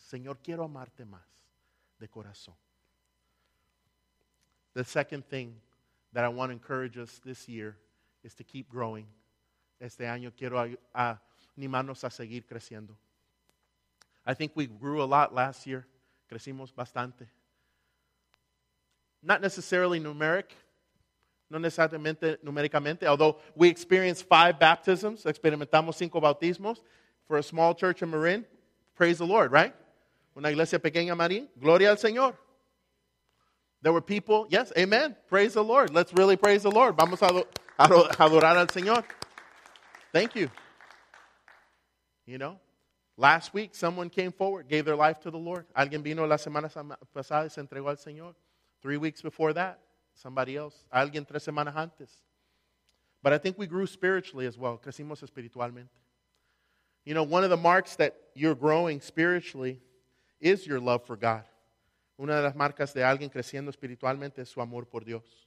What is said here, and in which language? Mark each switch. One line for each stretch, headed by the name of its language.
Spanish: Señor, quiero amarte más de corazón.
English: The second thing that I want to encourage us this year is to keep growing.
Spanish: Este año quiero animarnos a seguir creciendo.
English: I think we grew a lot last year.
Spanish: Crecimos bastante.
English: Not necessarily numeric.
Spanish: No necesariamente numéricamente.
English: Although we experienced 5 baptisms.
Spanish: Experimentamos 5 bautismos.
English: For a small church in Marin, praise the Lord, right?
Spanish: Una iglesia pequeña Marin, gloria al Señor.
English: There were people, yes, amen. Praise the Lord. Let's really praise the Lord.
Spanish: Vamos a adorar al Señor.
English: Thank you. You know? Last week, someone came forward, gave their life to the Lord.
Spanish: Alguien vino la semana pasada y se entregó al Señor.
English: 3 weeks before that, somebody else.
Spanish: Alguien 3 semanas antes.
English: But I think we grew spiritually as well.
Spanish: Crecimos espiritualmente.
English: You know, one of the marks that you're growing spiritually is your love for God.
Spanish: Una de las marcas de alguien creciendo espiritualmente es su amor por Dios.